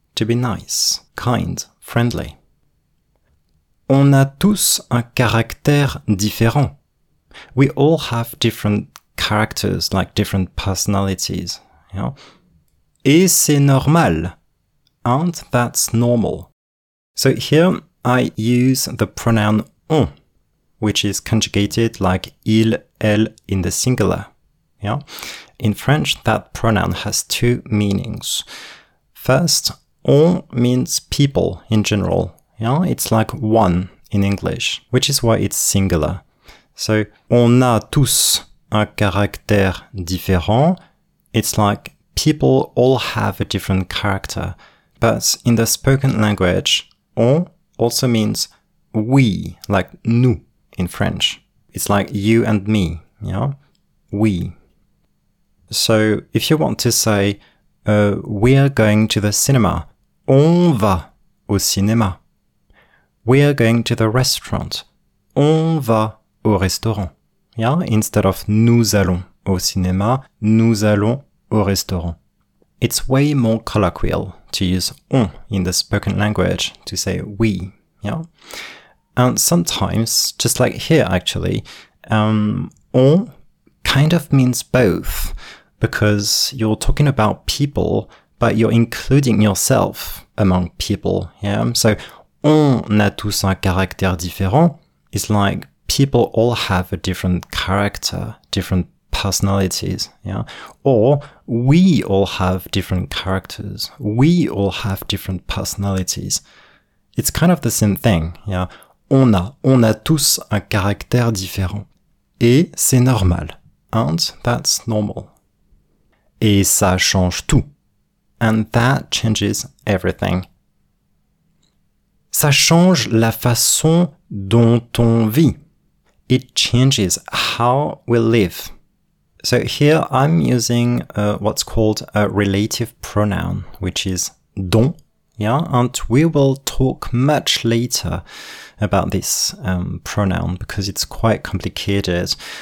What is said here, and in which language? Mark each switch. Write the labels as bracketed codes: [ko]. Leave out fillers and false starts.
[en] To be nice, kind, friendly. [fr] On a tous un caractère différent. [en] We all have different characters, like different personalities. You know? [fr] Et c'est normal. [en] And that's normal. So here I use the pronoun on, which is conjugated like il, elle in the singular. Yeah? In French, that pronoun has two meanings. First, on means people in general. Yeah? It's like one in English, which is why it's singular. [fr] So, on a tous un caractère différent. [en] It's like people all have a different character. But in the spoken language, on also means we, like nous in French. It's like you and me, yeah? We. So if you want to say, we're going to the cinema, [fr] on va au cinéma. [en] We're going to the restaurant, [fr] on va au restaurant. [en] Yeah? Instead of [fr] nous allons au cinéma, nous allons au restaurant. [en] It's way more colloquial to use on in the spoken language to say we, yeah? And sometimes, just like here actually, on kind of means both, because you're talking about people, but you're including yourself among people, yeah? So, [fr] on a tous un caractère différent [en] is like people all have a different character, different personalities, yeah? Or we all have different characters. We all have different personalities. It's kind of the same thing, yeah? [fr] On a tous un caractère différent. Et c'est normal. [en] And that's normal. [fr] Et ça change tout. [en] And that changes everything. [fr] Ça change la façon dont on vit. [en] It changes how we live. So here I'm using what's called a relative pronoun, which is don, yeah? And we will talk much later about this pronoun because it's quite complicated.